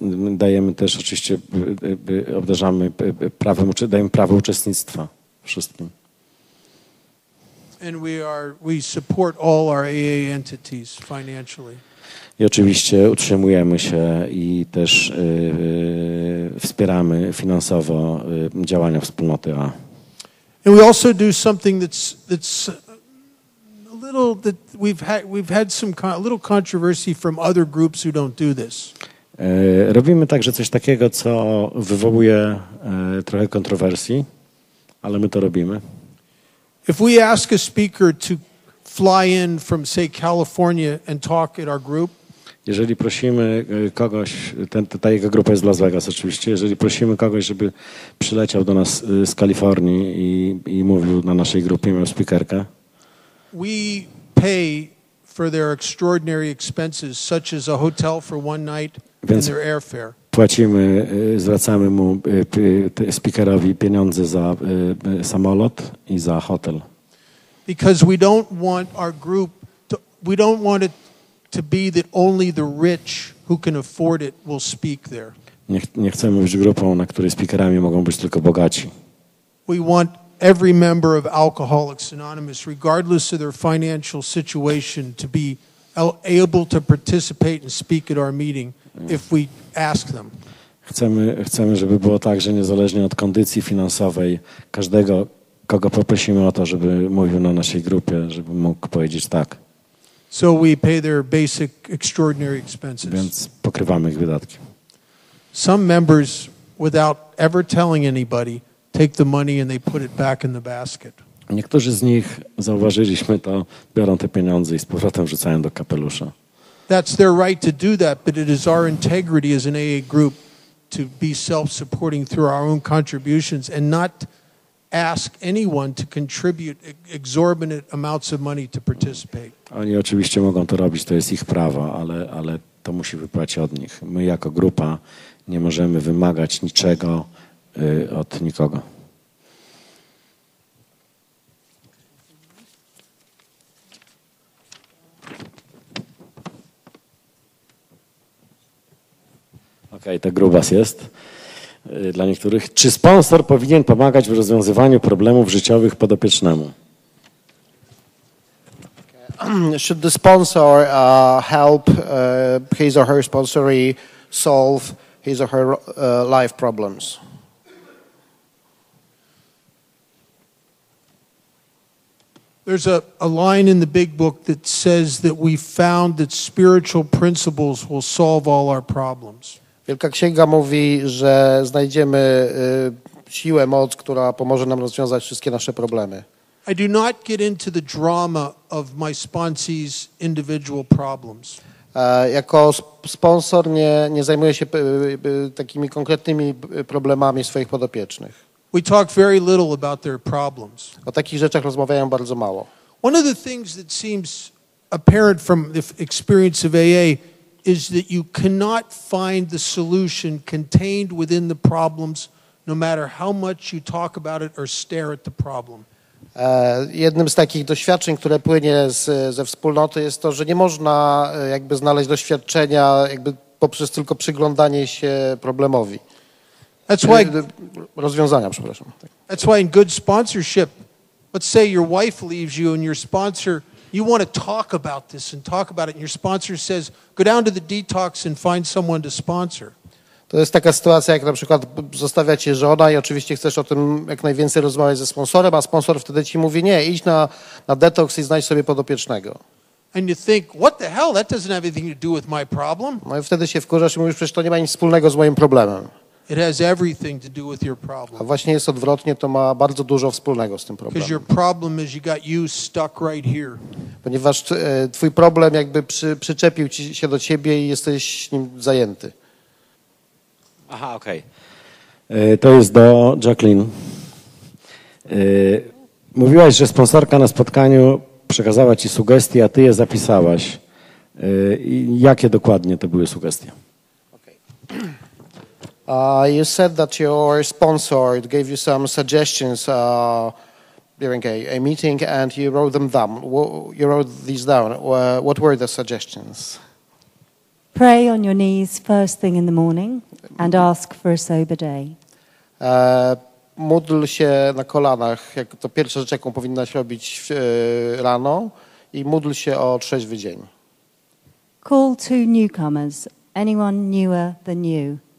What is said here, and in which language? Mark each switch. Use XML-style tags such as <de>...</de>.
<pl>Dajemy też oczywiście, obdarzamy prawem, dajemy prawo uczestnictwa wszystkim.</pl> <en>And we support all our AA entities financially.</en> <pl>I oczywiście utrzymujemy się i też wspieramy finansowo działania wspólnoty A.</pl> <en>And we also do something that's little that we've had some little controversy from other groups who don't do this.</en> <pl>Robimy także coś takiego, co wywołuje trochę kontrowersji, ale my to robimy.</pl> <en>If we ask a speaker to fly in from say California and talk at our group,</en> <pl>Jeżeli prosimy kogoś, ta jego grupa jest z Las Vegas oczywiście, jeżeli prosimy kogoś, żeby przyleciał do nas z Kalifornii i mówił na naszej grupie, miał speakerkę.</pl> <en>We pay for their extraordinary expenses, such as a hotel for one night and their airfare.</en> <pl>Płacimy, zwracamy mu speakerowi pieniądze za samolot i za hotel.</pl> <en>Because we don't want our group to, we don't want it to be that only the rich who can afford it will speak there.</en> <pl>Nie chcemy być grupą, na której speakerami mogą być tylko bogaci.</pl> <en>We want every member of Alcoholics Anonymous, regardless of their financial situation, to be able to participate and speak at our meeting if we ask them.</en> <pl>Chcemy, żeby było tak, że niezależnie od kondycji finansowej każdego, kogo poprosimy o to, żeby mówił na naszej grupie, żeby mógł powiedzieć tak.</pl> <en>So we pay their basic extraordinary expenses.</en> <pl>Więc pokrywamy ich wydatki.</pl> <en>Some members, without ever telling anybody, take the money and they put it back in the basket.</en> <pl>Niektórzy z nich, zauważyliśmy to, biorą te pieniądze i z powrotem wrzucają do kapelusza.</pl> <en>That's their right to do that, but it is our integrity as an AA group to be self-supporting through our own contributions and not ask anyone to contribute exorbitant amounts of money to participate.</en> <pl>Oni oczywiście mogą to robić, to jest ich prawo, ale to musi wypłać od nich. My jako grupa nie możemy wymagać niczego od nikogo. Okej, to grubas jest dla niektórych. Czy sponsor powinien pomagać w rozwiązywaniu problemów życiowych podopiecznemu?</pl> <en>Should the sponsor help his or her sponsoree solve his or her life problems? There's a line in the big book that says that we found that spiritual principles will solve all our problems.</en> <pl>Wielka Księga mówi, że znajdziemy siłę, moc, która pomoże nam rozwiązać wszystkie nasze problemy.</pl> <en>I do not get into the drama of my sponsee's individual problems.</en> <pl>Jako sponsor nie zajmuję się takimi konkretnymi problemami swoich podopiecznych.</pl> <en>We talk very little about their problems.</en> <pl>O takich rzeczach rozmawiają bardzo mało.</pl> <en>One of the things that seems apparent from the experience of AA is that you cannot find the solution contained within the problems, no matter how much you talk about it or stare at the problem.</en> <pl>Jednym z takich doświadczeń, które płynie ze wspólnoty, jest to, że nie można jakby znaleźć doświadczenia jakby poprzez tylko przyglądanie się problemowi.</pl> <en>That's why,</en> <pl>rozwiązania, przepraszam.</pl> <en>That's why in good sponsorship, let's say your wife leaves you and your sponsor, you want to talk about this and talk about it, and your sponsor says, go down to the detox and find someone to sponsor.</en> <pl>To jest taka sytuacja, jak na przykład zostawia cię żona i oczywiście chcesz o tym jak najwięcej rozmawiać ze sponsorem, a sponsor wtedy ci mówi, nie, idź na detoks i znajdź sobie podopiecznego.</pl> <en>And you think, what the hell, that doesn't have anything to do with my problem.</en> <pl>No i wtedy się wkurzasz i mówisz, przecież to nie ma nic wspólnego z moim problemem.</pl> <en>It has everything to do with your problem.</en> <pl>A właśnie jest odwrotnie, to ma bardzo dużo wspólnego z tym problemem.</pl> <en>Because your problem is you got you stuck right here.</en> <pl>Ponieważ twój problem jakby przyczepił ci się do ciebie i jesteś nim zajęty. Aha, okej. Okay. To jest do Jacqueline. Mówiłaś, że sponsorka na spotkaniu przekazała ci sugestie, a ty je zapisałaś. Jakie dokładnie to były sugestie?</pl> <en>Okay. You said that your sponsor gave you some suggestions during a meeting and you wrote them down. You wrote these down. What were the suggestions? Pray on your knees first thing in the morning and ask for a sober day.</en> <pl>Módl się na kolanach, jak to pierwsza rzecz, jaką powinnaś robić rano, i módl się o trzeźwy dzień.</pl> <en>Call two newcomers, anyone newer than you.</en>